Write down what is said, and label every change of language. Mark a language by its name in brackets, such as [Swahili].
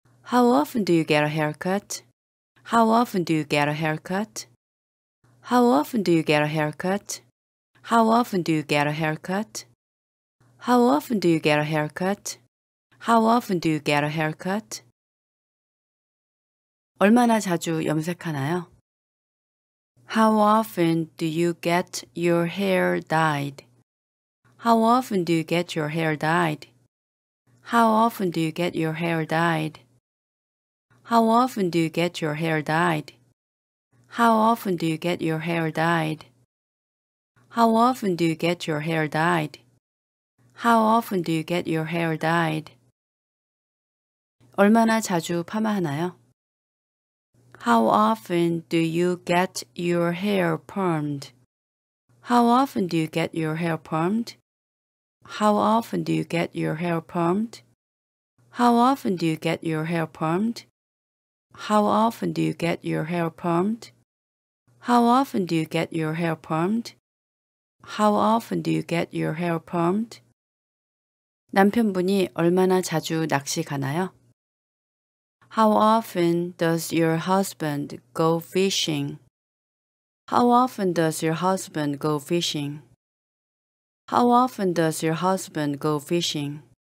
[English] How often do you get a haircut? How often do you get a haircut? How often do you get a haircut? How often do you get a haircut? How often do you get a haircut? How often do you get a haircut? [Korean] 얼마나 자주 염색하나요? [English] How often do you get your hair dyed? How often do you get your hair dyed? How often do you get your hair dyed? How often do you get your hair dyed? How often do you get your hair dyed? How often do you get your hair dyed? How often do you get your hair dyed? [Korean] 얼마나 자주 파마하나요? [English] How often do you get your hair permed? How often do you get your hair permed? How often do you get your hair permed? How often do you get your hair permed? How often do you get your hair permed? How often do you get your hair permed? How often do you get your hair permed? [Korean] 남편분이 얼마나 자주 낚시 가나요? [English] How often does your husband go fishing? How often does your husband go fishing? How often does your husband go fishing?